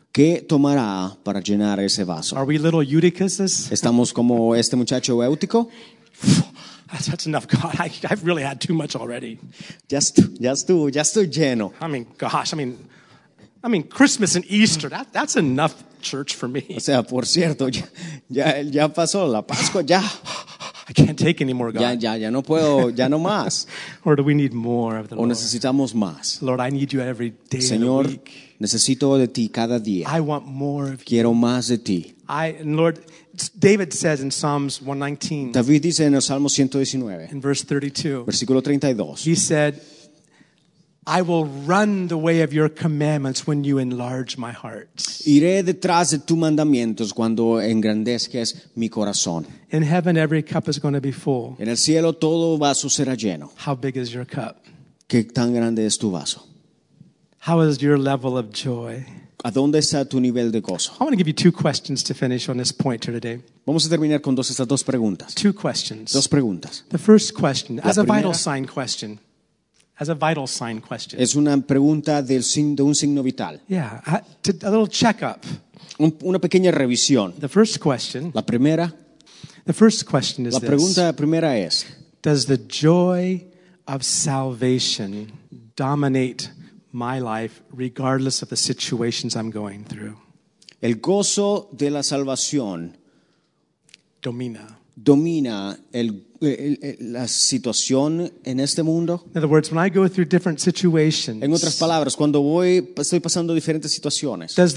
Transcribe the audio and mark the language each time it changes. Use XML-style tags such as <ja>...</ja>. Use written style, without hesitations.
<es>¿Qué tomará para llenar ese vaso?</es> <en>Are we little Eutychuses?</en> <es>¿Estamos como este muchacho Eutico?</es> <en>That's enough, God. I've really had too much already.</en> <es>Ya estoy lleno.</es> <en>I mean, gosh, I mean Christmas and Easter, that's enough church for me.</en> <es>O sea, por cierto, ya pasó la Pascua, ya.</es> <en>I can't take any more, God.</en> <es>Ya no puedo, ya no más.</es> <en>Or do we need more of the Lord?</en> <es>O necesitamos más.</es> <en>Lord, I need you every day</en> <es>Señor,</es> <en>of the week.</en> <es>Necesito de ti cada día.</es> <en>I want more of you.</en> <es>Quiero más de ti.</es> <en>And Lord, David says in Psalms 119.</en> <es>David dice en el Salmo 119.</es> <en>In verse 32.</en> <es>Versículo 32.</es> <en>He said, I will run the way of your commandments when you enlarge my heart.</en> <es>Iré detrás de tus mandamientos cuando engrandezcas mi corazón.</es> <en>In heaven every cup is going to be full.</en> <es>En el cielo todo vaso será lleno.</es> <en>How big is your cup?</en> <es>¿Qué tan grande es tu vaso?</es> <en>How is your level of joy?</en> <es>¿A dónde está tu nivel de gozo?</es> <en>I want to give you two questions to finish on this point here today.</en> <es>Vamos a terminar con estas dos preguntas.</es> <en>Two questions.</en> <es>Dos preguntas.</es> <en>The first question, as a vital sign question.</en> <es>Es una pregunta de un signo vital.</es> <en>Yeah, a little checkup.</en> <es>Una pequeña revisión.</es> <en>The first question.</en> <es>La primera.</es> <en>The first question is</en> <es>la pregunta</es> <en>this.</en> <es>Primera es.</es> <en>Does the joy of salvation dominate my life regardless of the situations I'm going through?</en> <es>El gozo de la salvación domina. Domina la situación en este mundo.</es> <en>In other words, when I go through different situations.</en> <es>En otras palabras, cuando estoy pasando diferentes situaciones.</es>